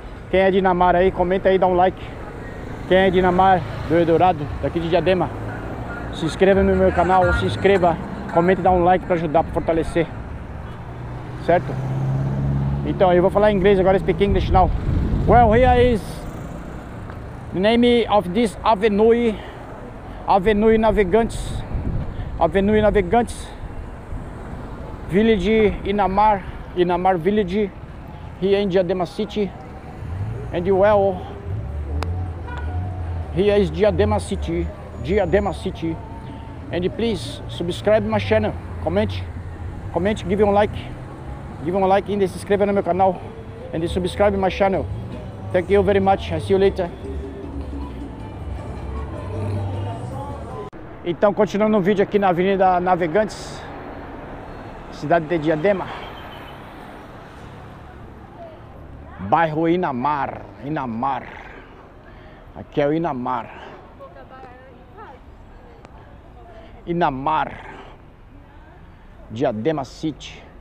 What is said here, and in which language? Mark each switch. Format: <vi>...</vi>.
<pt>Quem é de Inamar aí, comenta aí, dá um like. Quem é de Inamar, do Eldorado, daqui de Diadema, se inscreva no meu canal, se inscreva, comenta, dá um like para ajudar, para fortalecer. Certo? Então, eu vou falar em inglês agora,</pt> <en>speak English now. Well, here is the name of this avenue, Avenue Navegantes, Village Inamar, Inamar Village, here in Diadema City, and well, here is Diadema City, and please subscribe my channel, comment, give me a like, and subscribe to my channel, and subscribe my channel. Thank you very much. I see you later.</en> <pt>Então, continuando o vídeo aqui na Avenida Navegantes, cidade de Diadema, bairro Inamar, Inamar, aqui é o Inamar, Inamar, Diadema City.</pt>